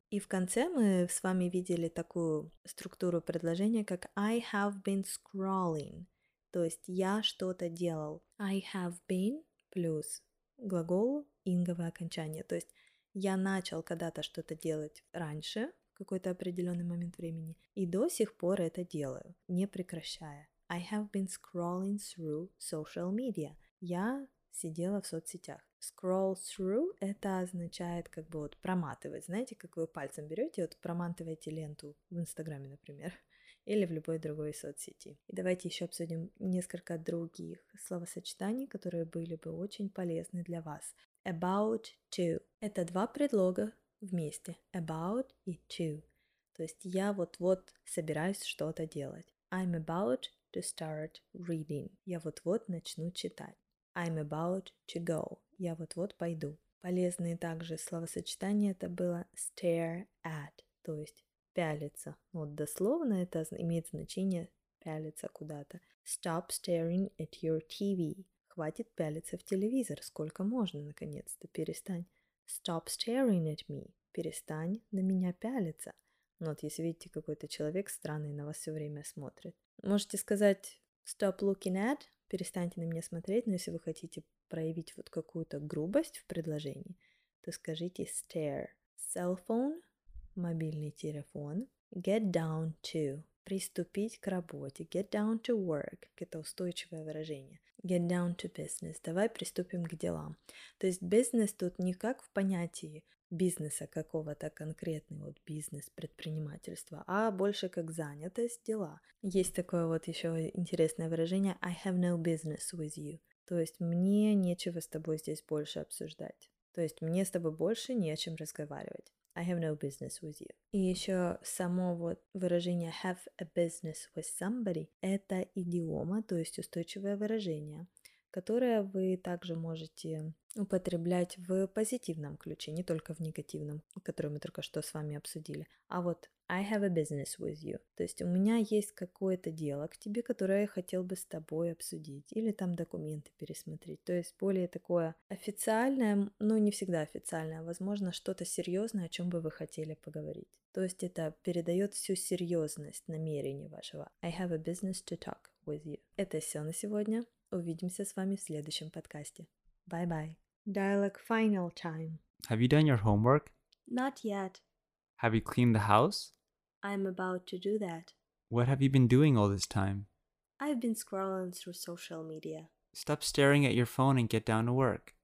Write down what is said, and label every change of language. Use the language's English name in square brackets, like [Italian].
[Russian] И в конце мы с вами видели такую структуру предложения, как [English] I have been scrolling, [Russian] то есть я что-то делал. [English] I have been [Russian] плюс глагол инговое окончание, то есть я начал когда-то что-то делать раньше, в какой-то определенный момент времени, и до сих пор это делаю, не прекращая. [English] I have been scrolling through social media. [Russian] Я сидела в соцсетях. Scroll through – это означает как бы вот проматывать. Знаете, как вы пальцем берете, вот проматываете ленту в Инстаграме, например, или в любой другой соцсети. И давайте еще обсудим несколько других словосочетаний, которые были бы очень полезны для вас. About to – это два предлога вместе. [English] About и to. [Russian] То есть я вот-вот собираюсь что-то делать. [English] I'm about to start reading. [Russian] Я вот-вот начну читать. [English] I'm about to go. [Russian] Я вот-вот пойду. Полезные также словосочетания это было stare at, то есть пялиться. Вот дословно это имеет значение пялиться куда-то. [English] Stop staring at your TV. [Russian] Хватит пялиться в телевизор, сколько можно, наконец-то, перестань. [English] Stop staring at me. [Russian] Перестань на меня пялиться. Вот если видите, какой-то человек странный на вас все время смотрит. Можете сказать [English] stop looking at, [Russian] перестаньте на меня смотреть, но если вы хотите проявить вот какую-то грубость в предложении, то скажите stare. Cell phone, мобильный телефон. Get down to, приступить к работе. [English] Get down to work, [Russian] это устойчивое выражение. [English] Get down to business, [Russian] давай приступим к делам. То есть business тут не как в понятии бизнеса какого-то конкретного, вот бизнес, предпринимательство, а больше как занятость, дела. Есть такое вот еще интересное выражение [English] I have no business with you. [Russian] То есть мне нечего с тобой здесь больше обсуждать. То есть мне с тобой больше не о чем разговаривать. [English] I have no business with you. [Russian] И еще само вот выражение [English] have a business with somebody [Russian] – это идиома, то есть устойчивое выражение, которое вы также можете употреблять в позитивном ключе, не только в негативном, который мы только что с вами обсудили. А вот [English] I have a business with you. [Russian] То есть у меня есть какое-то дело к тебе, которое я хотел бы с тобой обсудить или там документы пересмотреть. То есть более такое официальное, но не всегда официальное, возможно, что-то серьезное, о чем бы вы хотели поговорить. То есть это передает всю серьезность намерения вашего. [English] I have a business to talk with you. [Russian] Это все на сегодня. Увидимся с вами в следующем подкасте. [English] Bye-bye. Dialogue final time. Have you done your homework? Not yet. Have you cleaned the house? I'm about to do that. What have you been doing all this time? I've been scrolling through social media. Stop staring at your phone and get down to work.